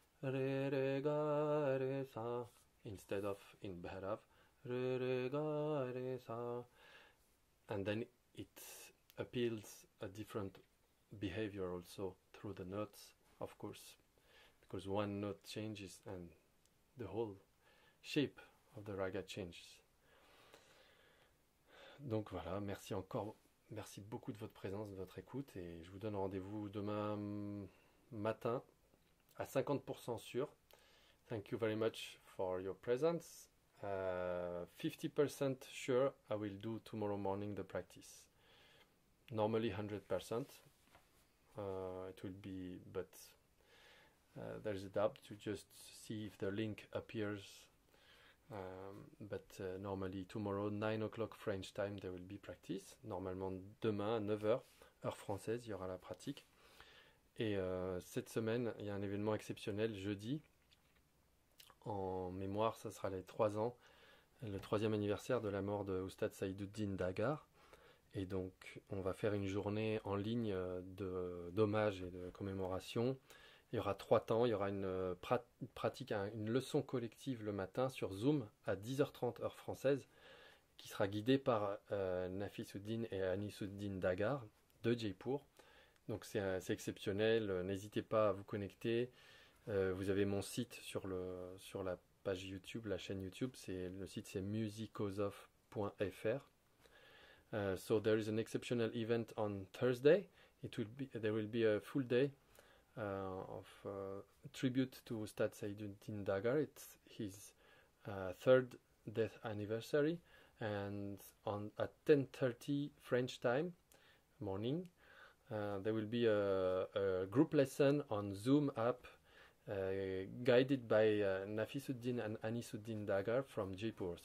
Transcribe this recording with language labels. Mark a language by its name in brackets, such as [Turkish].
[English] Re re ga re sa instead of in Bhairav re re ga re sa, and then it appeals a different behavior also through the notes, of course, because one note changes and the whole shape of the raga changes. [French] Donc voilà, merci encore, merci beaucoup de votre présence, de votre écoute, et je vous donne rendez-vous demain matin à 50% sûr. [English] Thank you very much for your presence. 50% sure I will do tomorrow morning the practice. Normally 100%, it will be, but there's a doubt to just see if the link appears, but normally tomorrow 9 o'clock French time there will be practice. [French] Normalement demain à 9h heure française il y aura la pratique, et cette semaine il y a un événement exceptionnel jeudi en mémoire, ça sera les 3 ans, le 3e anniversaire de la mort de Oustad Saïdouddin Dagar. Et donc, on va faire une journée en ligne d'hommage et de commémoration. Il y aura 3 temps. Il y aura une pratique, une leçon collective le matin sur Zoom à 10h30 heure française, qui sera guidée par Nafisuddin et Anisuddin Dagar de Jaipur. Donc, c'est exceptionnel. N'hésitez pas à vous connecter. Vous avez mon site sur la page YouTube, la chaîne YouTube. Le site, c'est musicosof.fr. [English] So there is an exceptional event on Thursday. There will be a full day of tribute to Ustad Saiduddin Dagar. It's his third death anniversary, and at 10:30 French time morning, there will be a group lesson on Zoom app, guided by Nafisuddin and Anisuddin Dagar from Jaipur.